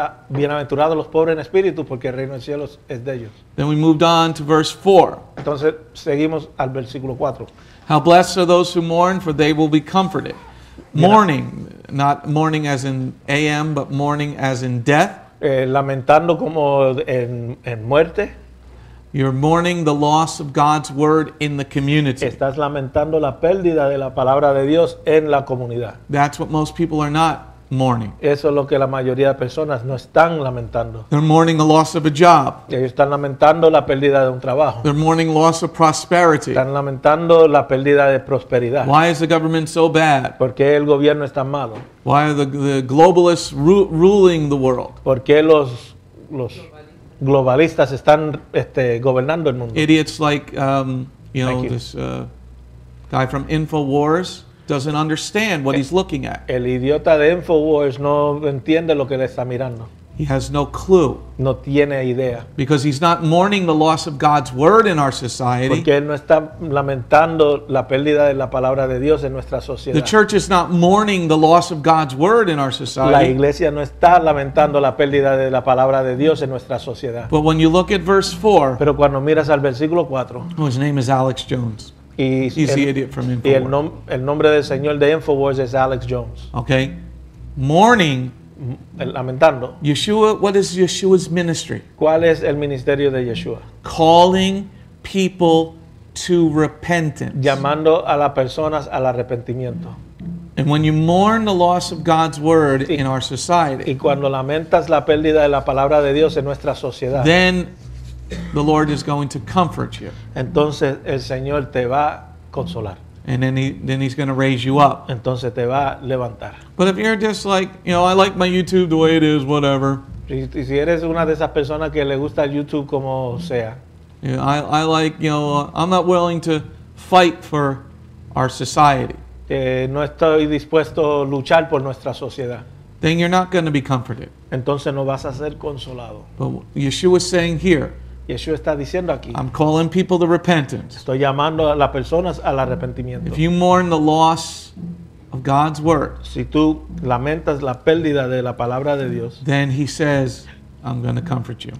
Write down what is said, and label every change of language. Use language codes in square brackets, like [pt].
[es] Bienaventurados los pobres en espíritu, porque el reino de cielos es de ellos. [en] Then we moved on to verse 4. [es] Entonces seguimos al versículo 4. [en] How blessed are those who mourn, for they will be comforted. Mourning, not mourning as in AM, but mourning as in death. [es] Lamentando como en muerte. [en] You're mourning the loss of God's word in the community. [es] Estás lamentando la pérdida de la palabra de Dios en la comunidad. [en] That's what most people are not mourning. [es] Eso es lo que la mayoría de personas no están lamentando. [en] They're mourning the loss of a job. [es] Ellos están lamentando la pérdida de un trabajo. [en] They're mourning loss of prosperity. [es] Están lamentando la pérdida de prosperidad. [en] Why is the government so bad? [es] ¿Por qué el gobierno es tan malo? [en] Why are the globalists ruling the world? [es] ¿Por qué los globalistas están gobernando el mundo? [en] Idiots like this guy from InfoWars doesn't understand what he's looking at. [es] El idiota de InfoWars no entiende lo que le está mirando. [en] He has no clue. [es] No tiene idea. [en] Because he's not mourning the loss of God's word in our society. [es] Porque él no está lamentando la pérdida de la palabra de Dios en nuestra sociedad. [en] The church is not mourning the loss of God's word in our society. [es] La iglesia no está lamentando la pérdida de la palabra de Dios en nuestra sociedad. [en] But when you look at verse 4. [es] Pero cuando miras al versículo 4. [en] Oh, his name is Alex Jones. He's the idiot from InfoWars. [es] Y el nombre del señor de InfoWars es Alex Jones. [en] Okay. Mourning. [es] Lamentando. [en] Yeshua, what is Yeshua's ministry? [es] ¿Cuál es el ministerio de Yeshua? [en] Calling people to repentance. [es] Llamando a las personas al arrepentimiento. [en] And when you mourn the loss of God's word in our society. [es] Y cuando lamentas la pérdida de la palabra de Dios en nuestra sociedad. [en] Then the Lord is going to comfort you. [es] Entonces el Señor te va a consolar. [en] And then he's going to raise you up. [es] Entonces te va a levantar. [en] But if you're just like, I like my YouTube the way it is, whatever. [es] Si eres una de esas personas que le gusta YouTube como sea. [en] Yeah, I like, I'm not willing to fight for our society. [es] No estoy dispuesto a luchar por nuestra sociedad. [en] Then you're not going to be comforted. [es] Entonces no vas a ser consolado. [en] But Yeshua is saying here. [es] Yeshua está diciendo aquí. [en] I'm calling people to repentance. [es] Estoy llamando a las personas al arrepentimiento. [en] If you mourn the loss of God's word. [es] Si tú lamentas la pérdida de la palabra de Dios. [en] Then he says, I'm going to comfort you.